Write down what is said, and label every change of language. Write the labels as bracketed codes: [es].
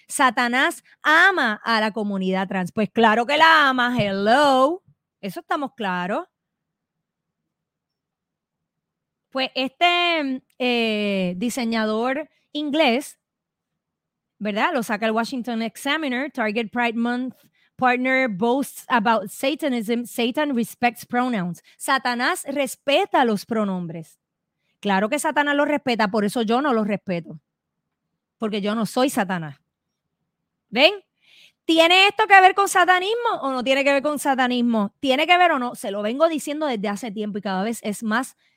[es] Satanás ama a la comunidad trans. Pues claro que la ama. Hello. Eso estamos claros. Pues este diseñador inglés, ¿verdad? Lo saca el Washington Examiner, Target Pride Month. [en] Partner boasts about Satanism. Satan respects pronouns. [es] Satanás respeta los pronombres. Claro que Satanás los respeta, por eso yo no los respeto. Porque yo no soy Satanás. ¿Ven? ¿Tiene esto que ver con satanismo o no tiene que ver con satanismo? ¿Tiene que ver o no? Se lo vengo diciendo desde hace tiempo y cada vez es más